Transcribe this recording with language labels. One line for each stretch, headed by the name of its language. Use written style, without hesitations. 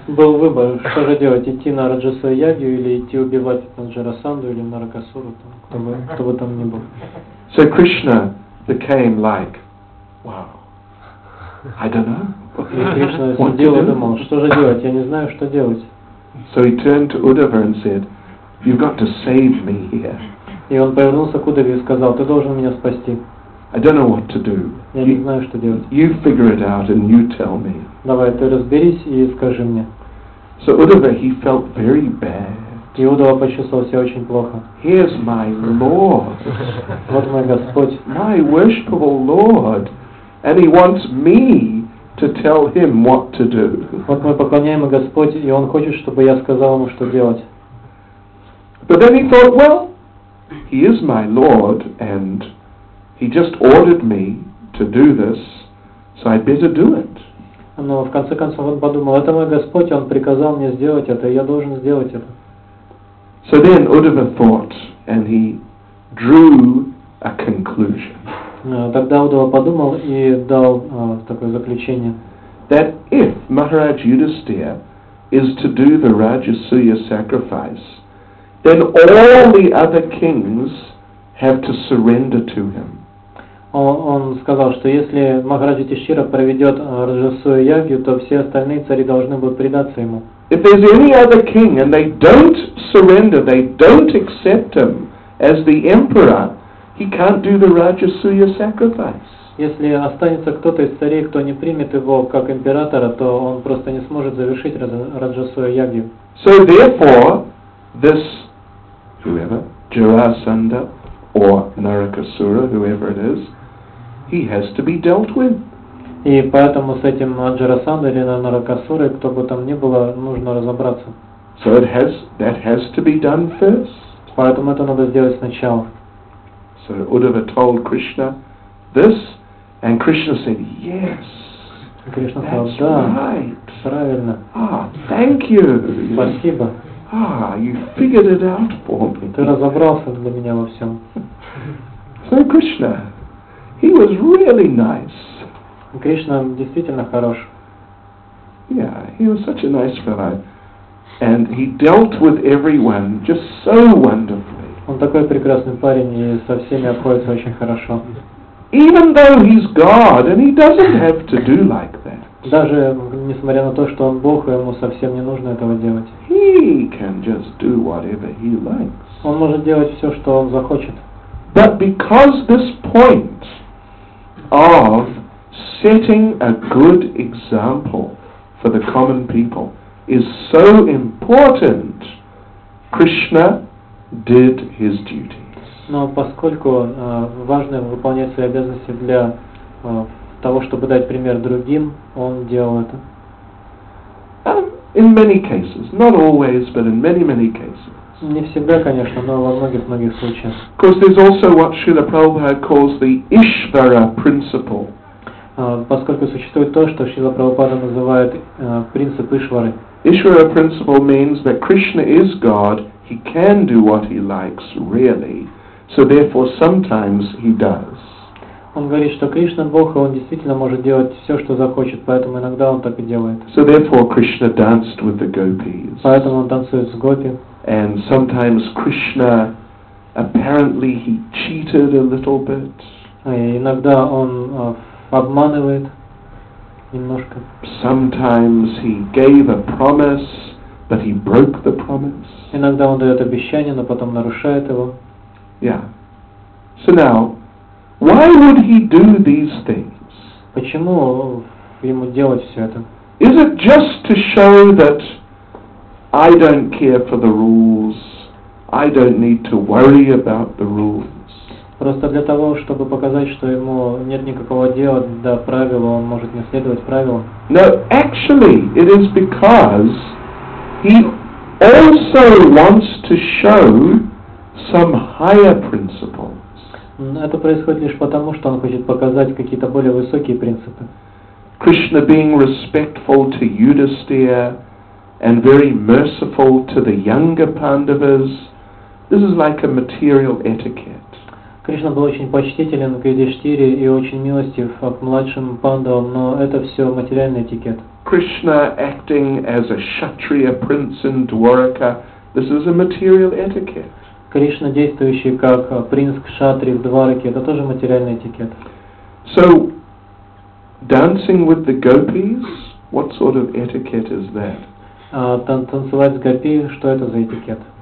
Russian: Был выбор, что же делать, идти на Раджасуяю или идти убивать там Джарасанду или Наракасуру, там, кто бы там ни был.
English: So Krishna became like, wow, I don't know.
Russian: И Кришна сидел и думал, что же делать, я не знаю, что делать.
English: So he turned to Uddhava and said, you've got to save me here.
Russian: И он повернулся к Уддхаве и сказал, ты должен меня спасти.
English: I don't know what to do.
Russian: Я не знаю, что делать.
English: You figure it out and you tell me.
Russian: Давай, ты разберись и скажи мне.
English: So Uddhava, he felt very bad.
Russian: И Уддхава почувствовал себя очень плохо.
English: Here's my Lord.
Russian: Вот мой Господь.
English: My worshipable Lord. And he wants me to tell him what to do.
Russian: Вот мой поклоняемый Господь, и он хочет, чтобы я сказал ему, что делать.
English: But then he thought, well, he is my Lord, and he just ordered me to do this, so I better do it.
Russian: Но в конце концов он подумал, это мой Господь, он приказал мне сделать это, и я должен сделать это.
English: So then Uddhava thought, and he drew a conclusion.
Russian: Тогда Удава подумал и дал такое заключение.
English: That if Maharaj Yudhisthira is to do the Rajasuya sacrifice, then all the other kings have to surrender to him.
Russian: Он сказал, что если Махараджа Тишира проведет Раджасуя Ягью, то все остальные цари должны будут предаться ему.
English: If there's any other king and they don't surrender, they don't accept him as the emperor, he can't do the Rajasuya sacrifice.
Russian: Если останется кто-то из царей, кто не примет его как императора, то он просто не сможет завершить Раджасуя Ягью.
English: So therefore, this whoever, Jarasandha or Narakasura, whoever it is, he has to be dealt with.
Russian: И поэтому с этим Джарасандой или Наракасурой, кто бы там ни было, нужно разобраться.
English: So it has, that has to be done first.
Russian: Поэтому это надо сделать сначала.
English: So Uddhava told Krishna this, and Krishna said, yes, Krishna that's
Russian: сказал, да,
English: right.
Russian: Правильно.
English: Ah, thank you.
Russian: Спасибо.
English: Ah, you figured it out for me.
Russian: Ты разобрался для меня во всем.
English: So Krishna, he was really nice.
Russian: Кришна действительно хорош.
English: Yeah, he was such a nice fellow. And he dealt with everyone just so wonderfully.
Russian: Он такой прекрасный парень и со всеми обходится очень хорошо.
English: Even though he's God and he doesn't have to do like that.
Russian: Даже несмотря на то, что он Бог, ему совсем не нужно этого делать.
English: He can just do whatever he likes.
Russian: Он может делать все, что он захочет.
English: But because this point of setting a good example for the common people is so important, Krishna did his duty.
Russian: Но поскольку важно выполнять свои обязанности для того, чтобы дать пример другим, он делал это.
English: In many cases, not always, but in many, many cases.
Russian: Не всегда, конечно, но во многих случаях.
English: Because there's also what Srila Prabhupada calls the Ishvara principle.
Russian: Поскольку существует то, что Шрила Прабхупада называет принцип Ишвары.
English: Ishvara principle means that Krishna is God, he can do what he likes, really. So therefore sometimes he does.
Russian: Он говорит, что Кришна Бог, и он действительно может делать все, что захочет, поэтому иногда он так и делает.
English: So therefore Krishna danced with the gopis.
Russian: Поэтому он танцует с гопи.
English: And sometimes Krishna, apparently he cheated a little bit.
Russian: Иногда он обманывает немножко.
English: Sometimes he gave a promise, but he broke the promise.
Russian: Иногда он дает обещание, но потом нарушает его.
English: Yeah. So now, why would he do these things?
Russian: Почему ему делать все это?
English: Is it just to show that I don't care for the rules, I don't need to worry about the rules?
Russian: Просто для того, чтобы показать, что ему нет никакого дела до правил, он может не следовать правилам.
English: No, actually, it is because he also wants to show some higher principles.
Russian: Это происходит лишь потому, что он хочет показать какие-то более высокие принципы.
English: Krishna being respectful to Yudhisthira and very merciful to the younger Pandavas, this is like a material etiquette.
Russian: Кришна был очень почтителен к Юдиштире и очень милостив к младшим пандавам, но это все материальный этикет.
English: Krishna acting as a kshatriya prince in Dwarka, this is a material etiquette.
Russian: Кришна действующий как принц кшатри в Двараке, это тоже материальный этикет.
English: So, dancing with the gopis, what sort of etiquette is that?
Russian: Танцевать с гопи, что это за этикет?